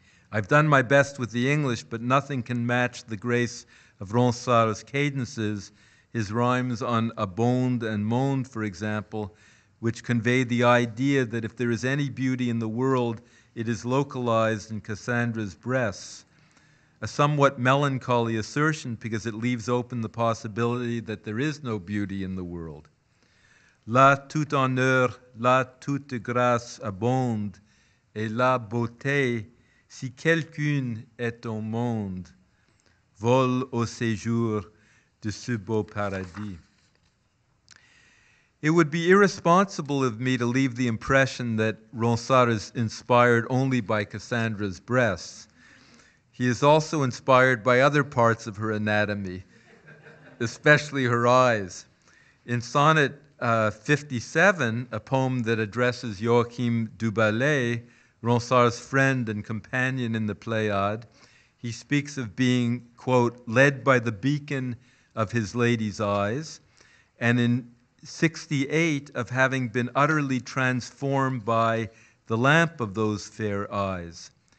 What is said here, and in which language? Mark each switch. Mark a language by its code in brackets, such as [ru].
[en] I've done my best with the English, but nothing can match the grace of Ronsard's cadences, his rhymes on abonde and monde, for example, which convey the idea that if there is any beauty in the world, it is localized in Cassandra's breasts, a somewhat melancholy assertion because it leaves open the possibility that there is no beauty in the world. [fr] Là tout honneur, là toute grâce abonde, et la beauté, si quelqu'une est au monde, vole au séjour de ce beau paradis. [en] It would be irresponsible of me to leave the impression that Ronsard is inspired only by Cassandra's breasts. He is also inspired by other parts of her anatomy, especially her eyes. In sonnet 57, a poem that addresses Joachim du Ballet, Ronsard's friend and companion in the Pléiade, he speaks of being, quote, led by the beacon of his lady's eyes, and in 68 of having been utterly transformed by the lamp of those fair eyes.